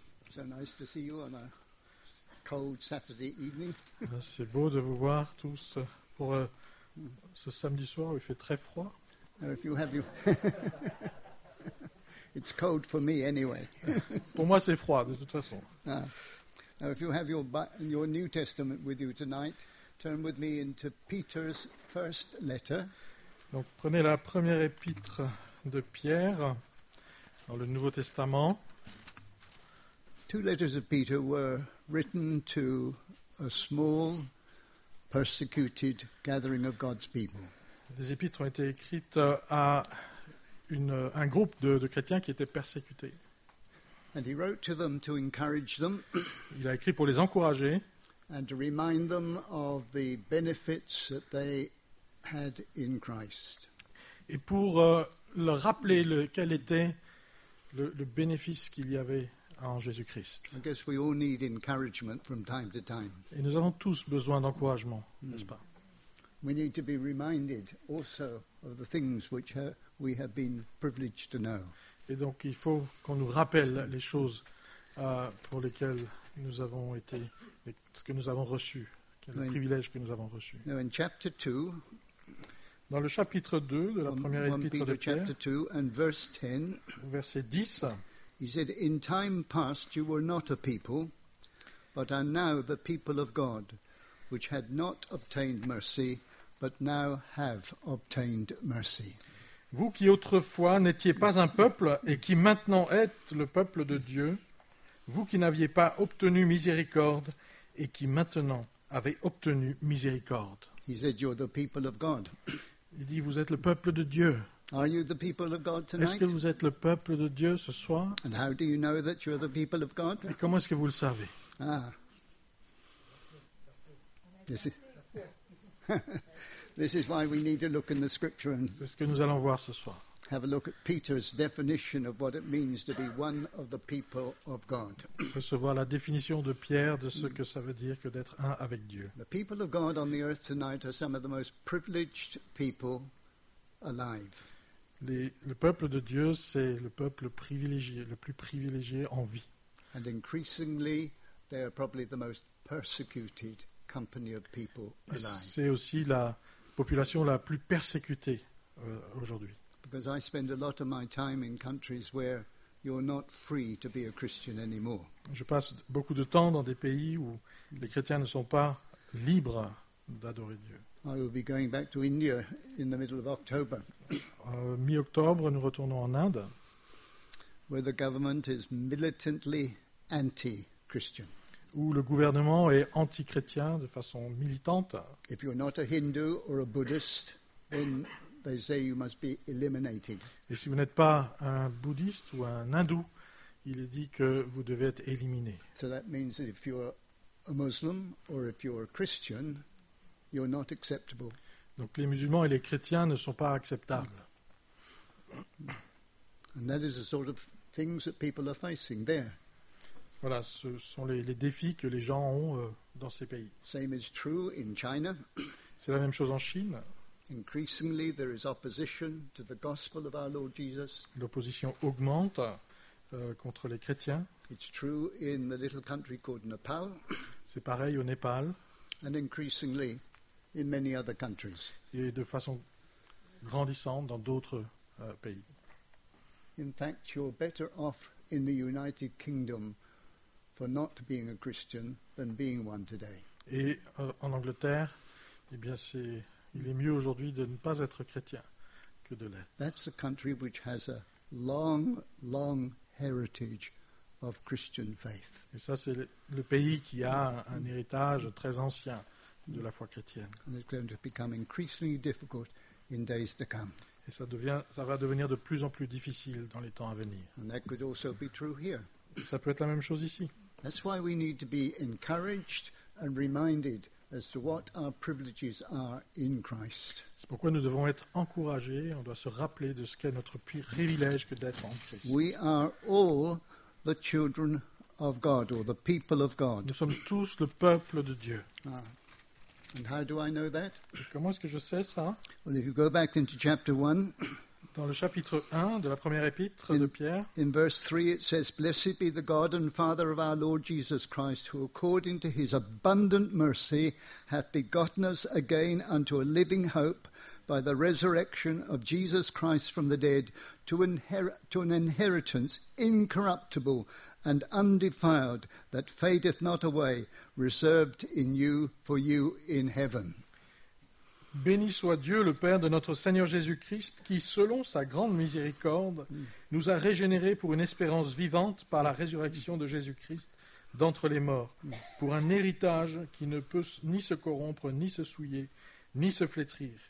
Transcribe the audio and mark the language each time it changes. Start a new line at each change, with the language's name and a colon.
English: So nice to see you on a cold Saturday evening.
French: C'est beau de vous voir tous pour ce samedi soir où il fait très froid.
English: If you have you... It's cold for me anyway.
French: Pour moi, c'est froid de toute façon.
English: Now if you have your New Testament with you tonight, turn with me into Peter's first letter.
French: Donc prenez la première épître de Pierre. Dans le Nouveau Testament.
English: Two letters of Peter were written to a small persecuted gathering of God's people.
French: Les épîtres ont été écrites à un groupe de chrétiens qui étaient persécutés.
English: And he wrote to them to encourage them.
French: Il a écrit pour les encourager.
English: And to remind them of the benefits that they had in Christ.
French: Et pour leur rappeler quel était le bénéfice qu'il y avait en Jésus-Christ.
English: I guess we all need encouragement from time to time.
French: Et nous avons tous besoin d'encouragement, n'est-ce pas?
English: We need to be reminded also of the things which we have been privileged to know.
French: Et donc il faut qu'on nous rappelle les choses pour lesquelles nous avons été, ce que nous avons reçu, le privilège que nous avons reçu.
English: Now in chapter 2,
French: dans le chapitre 2 de la première épître de Pierre,
English: verse 10,
French: verset 10,
English: he said, "In time past you were not a people, but are now the people of God, which had not obtained mercy, but now have obtained mercy."
French: Vous qui autrefois n'étiez pas un peuple et qui maintenant êtes le peuple de Dieu, vous qui n'aviez pas obtenu miséricorde et qui maintenant avez obtenu miséricorde.
English: He said, "You're the people of God."
French: Il dit, vous êtes le peuple de Dieu.
English: Are you the people of God tonight?
French: Est-ce que vous êtes le peuple de Dieu ce soir?
English: And how do you know that you're the people of God?
French: Et comment est-ce que vous le savez? Ah.
English: This is why we need to look in the scripture.
French: C'est ce que nous allons voir ce soir.
English: Have a look at Peter's definition of what it means to be one of the people of God.
French: Recevoir la définition de Pierre de ce que ça veut dire que d'être un avec Dieu.
English: The people of God on the earth tonight are some of the most privileged people alive.
French: Le peuple de Dieu, c'est le peuple privilégié, le plus privilégié en vie.
English: And increasingly, they are probably the most persecuted company of people alive.
French: Et c'est aussi la population la plus persécutée aujourd'hui.
English: Because I spend a lot of my time in countries where you're not free to be a Christian anymore.
French: Je passe beaucoup de temps dans des pays où les chrétiens ne sont pas libres d'adorer Dieu.
English: I will be going back to India in the middle of October.
French: Mi-octobre, nous retournons en Inde.
English: Where the government is militantly anti-Christian.
French: Où le gouvernement est anti-chrétien de façon militante.
English: If you're not a Hindu or a Buddhist, then they say you must be eliminated.
French: Et si vous n'êtes pas un bouddhiste ou un hindou, il est dit que vous devez être éliminé.
English: So that means that if you're a Muslim or if you're a Christian, you're not acceptable.
French: Donc les musulmans et les chrétiens ne sont pas acceptables.
English: And that is the sort of things that people are facing there.
French: Voilà, ce sont les défis que les gens ont dans ces pays.
English: Same is true in China.
French: C'est la même chose en Chine.
English: Increasingly, there is opposition to the gospel of our Lord Jesus.
French: L'opposition augmente contre les chrétiens.
English: It's true in the little country called Nepal.
French: C'est pareil au Népal.
English: And increasingly, in many other countries.
French: Et de façon grandissante dans d'autres pays.
English: In fact, you're better off in the United Kingdom for not being a Christian than being one today.
French: Et en Angleterre, eh bien c'est il est mieux aujourd'hui de ne pas être chrétien que de l'être.
English: That's a country which has a long, long heritage of Christian faith.
French: Et ça, c'est le pays qui a un héritage très ancien de la foi chrétienne.
English: And it's going to become increasingly difficult in days to come.
French: Et ça va devenir de plus en plus difficile dans les temps à venir.
English: And that could also be true here.
French: Et ça peut être la même chose ici.
English: That's why we need to be encouraged and reminded as to what our privileges are in Christ.
French: C'est pourquoi nous devons être encouragés, on doit se rappeler de ce qu'est notre privilège que d'être en Christ.
English: We are all the children of God or the people of God.
French: Nous sommes tous le peuple de Dieu.
English: Ah. And how do I know that?
French: Comment est-ce que je sais ça?
English: Well, if you go back into chapter 1,
French: Dans le chapitre 1 de la première épître de Pierre.
English: In verse 3, it says, Blessed be the God and Father of our Lord Jesus Christ, who according to his abundant mercy hath begotten us again unto a living hope by the resurrection of Jesus Christ from the dead, to an inheritance incorruptible and undefiled that fadeth not away, reserved in you for you in heaven.
French: Béni soit Dieu, le Père de notre Seigneur Jésus-Christ, qui, selon sa grande miséricorde, nous a régénérés pour une espérance vivante par la résurrection de Jésus-Christ d'entre les morts, pour un héritage qui ne peut ni se corrompre, ni se souiller, ni se flétrir.